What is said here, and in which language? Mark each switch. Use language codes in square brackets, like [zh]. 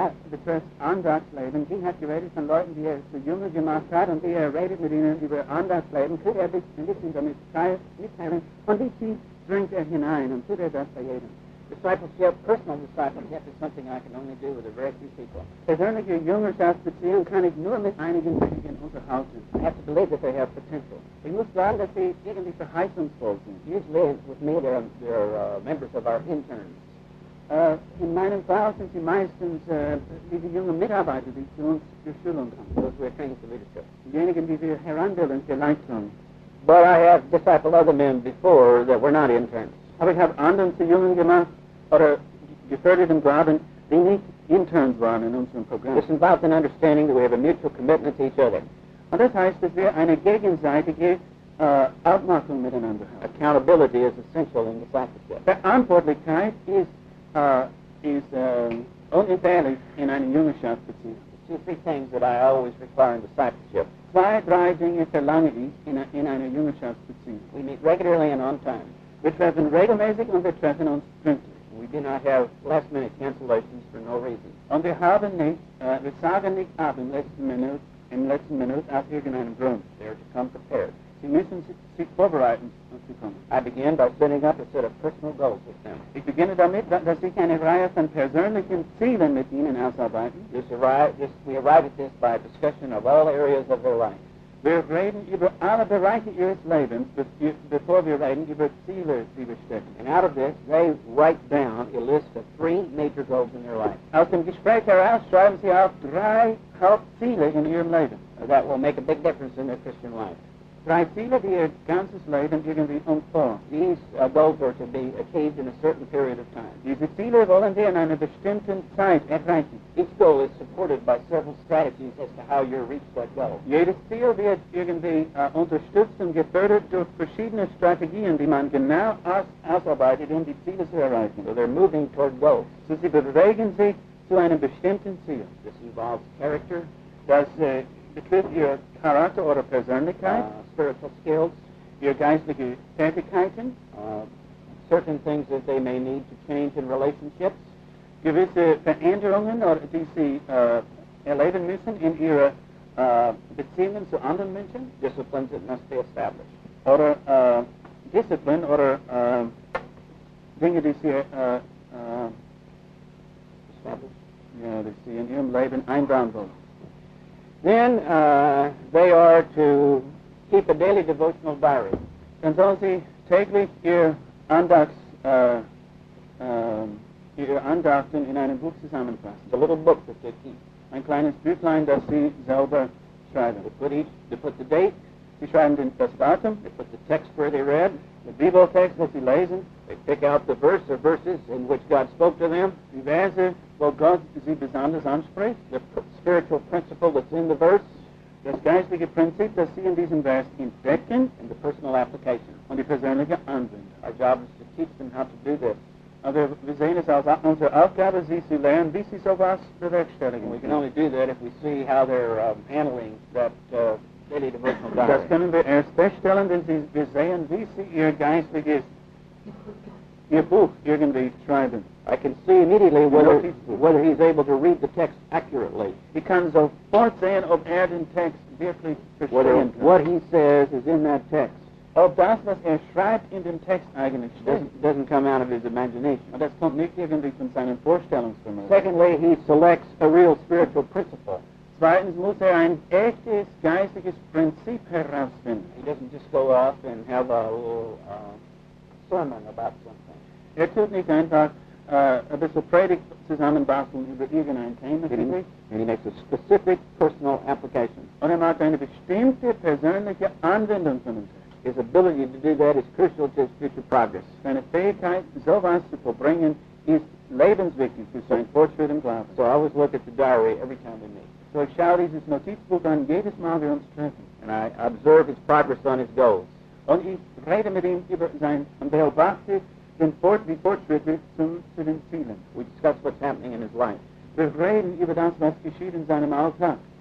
[de] the first Andersleben, die hat geredet von Leuten, die zu jung und gemacht hat, und die redet mit ihnen über Andersleben, tut ein bisschen damit mitteilen, und die Sie bringt hinein, und tut das bei jedem. [en] Discipleship, personal discipleship, is something I can only do with a very few people. [de] Persönliche Jüngerschaftsbeziehung kann ich nur mit einigen wenigen unterhalten. [en] I have to believe that they have potential. [de] Ich muss sagen, dass sie irgendwie verheißungsvoll sind. [en] Usually, with me, they're members of our interns. [de] In meinem Fall sind sie meistens diese jungen Mitarbeiter, die zu uns zur Schulung kommen. [en] Those who are trained for leadership. [de] Diejenigen, die wir heranbilden für Leitung. [en] But I have discipled other men before that were not interns. [de] Aber ich habe anderen zu jungen gemacht oder gefördert und graben, die nicht Interns waren in unserem Programm. [en] This involves an understanding that we have a mutual commitment to each other. [de] Und das heißt, dass wir eine gegenseitige Abmachung miteinander haben. [en] Accountability is essential in the practice. [de] Verantwortlichkeit ist unentbehrlich in einer Jüngerschaftsbeziehung. [en] Three things that I always require in discipleship. [de] Zwei, drei Dinge verlange ich in einer Jüngerschaftsbeziehung. [en] We meet regularly and on time. [de] Wir treffen regelmäßig und wir treffen uns pünktlich. [en] We do not have last-minute cancellations for no reason. [de] Und wir haben nicht, wir sagen nicht ab in letzter Minute auf irgendeinem Grund. [en] They are to come prepared. [de] Sie müssen sich vorbereiten, um zu kommen. [en] I begin by setting up a set of personal goals with them. [de] Ich beginne damit, dass ich eine Reihe von persönlichen Zielen mit ihnen ausarbeiten. [en] We arrive at this by a discussion of all areas of their life. [de] Wir reden über alle Bereiche ihres Lebens, bevor wir reden über Ziele, die wir stecken. [en] And out of this, they write down a list of three major goals in their life. [de] Aus dem Gespräch heraus schreiben sie auf drei Hauptziele in ihrem Leben. [en] That will make a big difference in their Christian life. [de] Drei Ziele, die ihr ganzes Leben irgendwie umfassen. [en] These goals are to be achieved in a certain period of time. [de] Diese Ziele wollen wir in einer bestimmten Zeit erreichen. [en] Each goal is supported by several strategies as to how you reach that goal. [de] Jedes Ziel wird irgendwie unterstützt und gefördert durch verschiedene Strategien, die man genau ausarbeitet, um die Ziele zu erreichen. [en] So they're moving toward goals. [de] So sie bewegen sich zu einem bestimmten Ziel. [en] This involves character. [de] Betrifft ihr Charakter oder Persönlichkeit, [en] spiritual skills, [de] ihr geistliche Fähigkeiten, [en] certain things that they may need to change in relationships, [de] gewisse Veränderungen, oder die sie erleben müssen in ihrer Beziehung zu anderen Menschen, [en] disciplines that must be established, [de] oder Disziplin oder Dinge, die sie in ihrem Leben einbauen wollen. [en] Then they are to keep a daily devotional diary. [de] Dann sollen sie täglich ihr Andacht, in einem Buch zusammenfassen. [en] It's a little book that they keep. [de] Ein kleines Büchlein, das sie selber schreiben. [en] They put the date. [de] Sie schreiben den Datum. [en] They put the text where they read. [de] The Bibeltext, was sie lesen. [en] They pick out the verse or verses in which God spoke to them. [de] Die Verse, wo Gott sie besonders anspricht. [en] The spiritual principle that's in the verse. [de] Das geistliche Prinzip, das sie in diesem Vers entdecken. [en] And the personal application. [de] Und die persönliche Anwendung. [en] Our job is to teach them how to do this. [de] Aber wir sehen es als unsere Aufgabe, sie zu lernen, wie sie sowas bewerkstelligen. [en] And we can only do that if we see how they're handling that daily devotional diary. [de] Das können wir erst feststellen, wenn wir sehen, wie sie ihr geistliches Ihr Buch irgendwie schreiben. [en] I can see immediately whether he's able to read the text accurately. [de] He kann sofort sehen, ob den Text wirklich verstehen kann. [en] What he says is in that text. [de] Ob das, was schreibt in dem Text eigentlich stimmt. [en] Doesn't come out of his imagination. [de] Und das kommt nicht irgendwie von seinen Vorstellungsvermögen. [en] Secondly, he selects a real spiritual principle. [de] Zweitens muss ein echtes geistiges Prinzip herausfinden. [en] He doesn't just go off and have a little sermon about something. [de] Tut nicht einfach ein bisschen Predigt zusammenbasteln über irgendein Thema. [en] And he makes a specific personal application. [de] Und macht eine bestimmte persönliche Anwendung von dem Text. [en] His ability to do that is crucial to his future progress. [de] Seine Fähigkeit, sowas zu vollbringen, ist lebenswichtig für sein Fortschritt im Glauben. [en] So I always look at the diary every time we meet. [de] So ich schaue dieses Notizbuch an jedes Mal, wir uns treffen. [en] And I observe his progress on his goals. [de] Und ich rede mit ihm über sein und beobachte den Fortschritt zu den Zielen. [en] We discuss what's happening in his life. [de] Wir reden über das, was geschieht in seinem Alltag.